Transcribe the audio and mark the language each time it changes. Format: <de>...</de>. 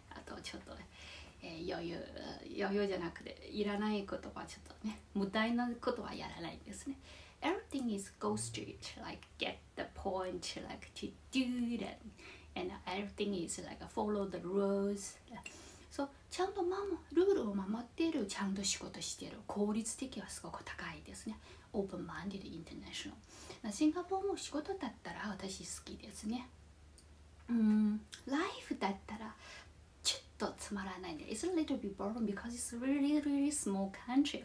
<ja>あとちょっと、余裕じゃなくて、いらないことはちょっとね、無駄なことはやらないですね。</ja> <en>Everything is go straight, like get the point, like to do it, and everything is like follow the rules.</en> <ja>So, ちゃんとルールを守ってる、ちゃんと仕事してる、効率的はすごく高いですね。</ja> <en>Open-minded, international.</en> <ja>シンガポールも仕事だったら私好きですね。 Life だったらちょっとつまらないね。</ja> <en>It's a little bit boring because it's a really, really small country.</en>